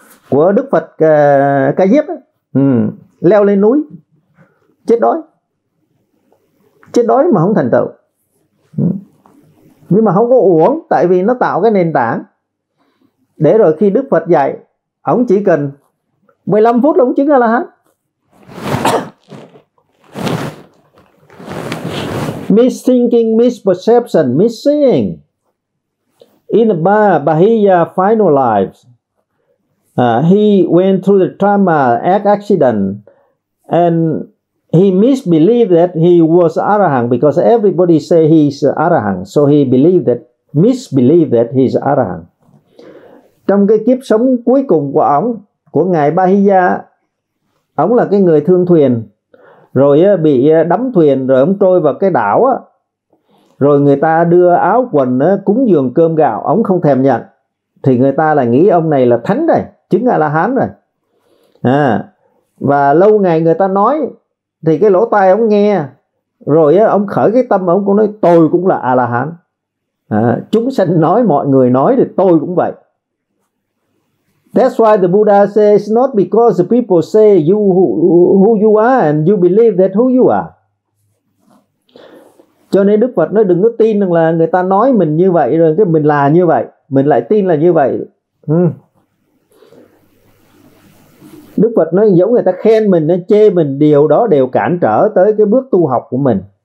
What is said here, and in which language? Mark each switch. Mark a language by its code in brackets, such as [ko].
[vi] của Đức Phật Ca Diếp leo lên núi chết đói, chết đói mà không thành tựu. Nhưng mà không có uổng, tại vì nó tạo cái nền tảng để rồi khi Đức Phật dạy, ông chỉ cần 15 phút là ông chứng A-la-hán. [en] Misthinking, misperception, misseeing in the Bahiya final lives, he went through the trauma and accident, and he misbelieved that he was Arahant because everybody say he's Arahant, so he believed that, misbelieved that he's Arahant. [vi] Trong cái kiếp sống cuối cùng của ông, của ngài Bahiya, ông là cái người thương thuyền, rồi bị đắm thuyền, rồi ông trôi vào cái đảo, rồi người ta đưa áo quần cúng dường cơm gạo, ông không thèm nhận, thì người ta lại nghĩ ông này là thánh rồi, chứng A-la-hán rồi. Và lâu ngày người ta nói, thì cái lỗ tai ông nghe, rồi ông khởi cái tâm, ông cũng nói tôi cũng là A-la-hán. Chúng sanh nói, mọi người nói thì tôi cũng vậy. [en] That's why the Buddha says it's not because the people say you who you are and you believe that who you are. [vi] Cho nên Đức Phật nói đừng có tin rằng là người ta nói mình như vậy rồi cái mình là như vậy, mình lại tin là như vậy. Đức Phật nói giống người ta khen mình, nó chê mình, điều đó đều cản trở tới cái bước tu học của mình.